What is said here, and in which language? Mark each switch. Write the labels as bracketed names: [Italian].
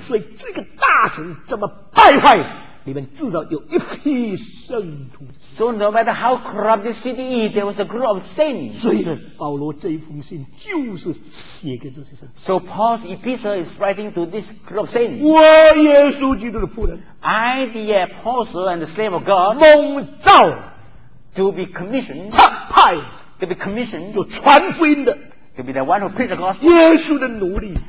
[Chinese] 所以这个大城这么败坏里面至少有一批圣徒 [English] So no matter how corrupt the city is There was a group of saints [Chinese] 所以保罗这一封信就是写给这些圣徒 [English] So Paul's epistle is writing to this group of saints [Chinese] 我耶稣基督的仆人 [English] I the apostle and the slave of God [Chinese] 蒙召 [English] To be commissioned [Chinese] 他派 [English] To be commissioned [Chinese] 就传福音的 [English] To be the one who preached the gospel [Chinese] 耶稣的奴隶